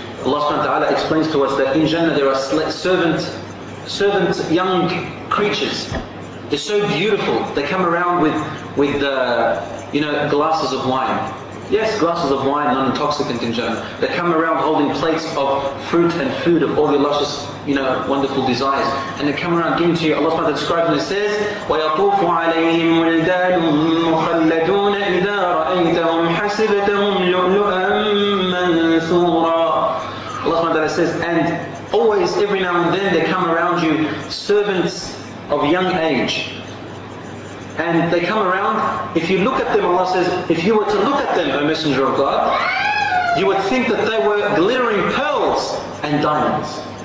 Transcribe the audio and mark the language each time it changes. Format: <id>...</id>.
<en>Allah subhanahu wa ta'ala explains to us that in Jannah there are servant young creatures. They're so beautiful. They come around with glasses of wine. Yes, glasses of wine, non-intoxicant in Jannah. They come around holding plates of fruit and food of all your luscious, you know, wonderful desires. And they come around giving to you. Allah subhanahu wa ta'ala describes and it says,</en> <ar>وَيَطُوفُ عَلَيْهِمْ وَلْدَانٌ مُخَلَّدُونَ إِذَا رَأَيْتَهُمْ حَسِبَتَهُمْ لُؤْلُؤًا مَنْثُورًا.</ar> <en>Allah subhanahu wa ta'ala says, and always, every now and then, they come around you, servants of young age. And they come around, if you look at them, Allah says, if you were to look at them, O Messenger of God, you would think that they were glittering pearls and diamonds.</en>